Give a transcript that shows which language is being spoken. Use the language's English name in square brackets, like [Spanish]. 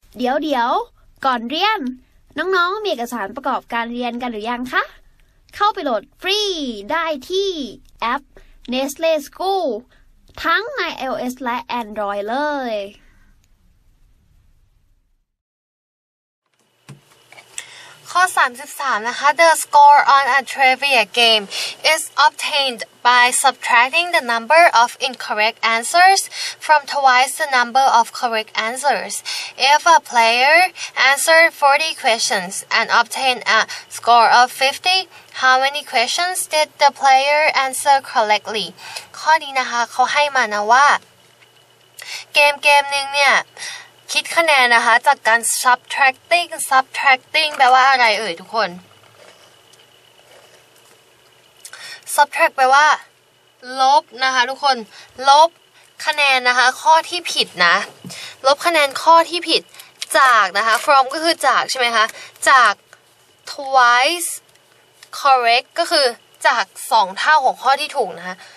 [Thai] เดี๋ยวๆก่อนเรียนน้องๆมีเอกสารประกอบการเรียนกันหรือยังคะเข้าไปโหลดฟรีได้ที่แอป Nestle School ทั้งใน iOS และ Android เลย ข้อ33นะคะ [English] The score on a trivia game is obtained by subtracting the number of incorrect answers from twice the number of correct answers. If a player answered 40 questions and obtained a score of 50, how many questions did the player answer correctly? [Thai] ข้อนี้นะคะเขาให้มานะว่าเกมนึงเนี่ยคิดคะแนนนะคะจากการ subtracting แปลว่าอะไรเอ่ยทุกคน subtract แปลว่าลบนะคะทุกคนลบคะแนนนะคะข้อที่ผิดนะลบคะแนนข้อที่ผิดจากนะคะ from ก็คือจากใช่ไหมคะจาก twice correct ก็คือจาก2เท่าของข้อที่ถูกนะคะ